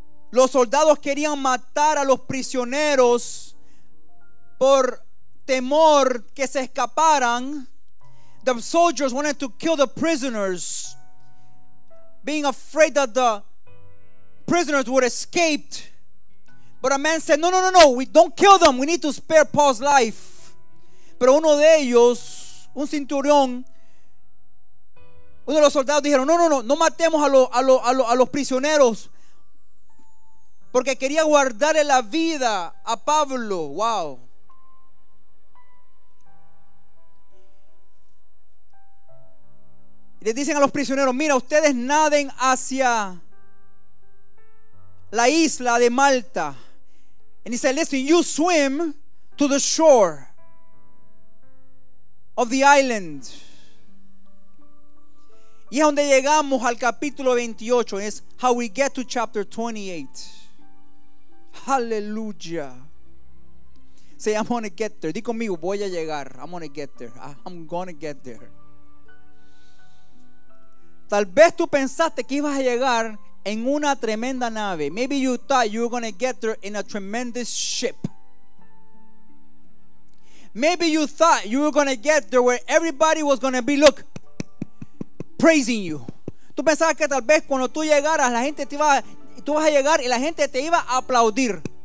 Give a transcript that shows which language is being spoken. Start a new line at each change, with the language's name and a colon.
Spanish: Los soldados querían matar a los prisioneros por temor que se escaparan.
English: The soldiers wanted to kill the prisoners, being afraid that the prisoners would escape. But a man said, no, we don't kill them, we need to spare Paul's life.
Spanish: Pero uno de ellos, un centurión, uno de los soldados dijeron, no matemos a los prisioneros, porque quería guardarle la vida a Pablo. Wow. Le dicen a los prisioneros, mira, ustedes naden hacia la isla de Malta.
English: And he said, listen, you swim to the shore of the island.
Spanish: Y es donde llegamos al capítulo 28.
English: It's how we get to chapter 28. Hallelujah. Say, I'm gonna get there.
Spanish: Di conmigo, voy a llegar.
English: I'm gonna get there. I'm gonna get there.
Spanish: Tal vez tú pensaste que ibas a llegar en una tremenda nave.
English: Maybe you thought you were gonna get there in a tremendous ship. Maybe you thought you were gonna get there where everybody was gonna be, look, praising you.
Spanish: Tú pensabas que tal vez cuando tú llegaras, la gente te iba, tú vas a llegar y la gente te iba a aplaudir.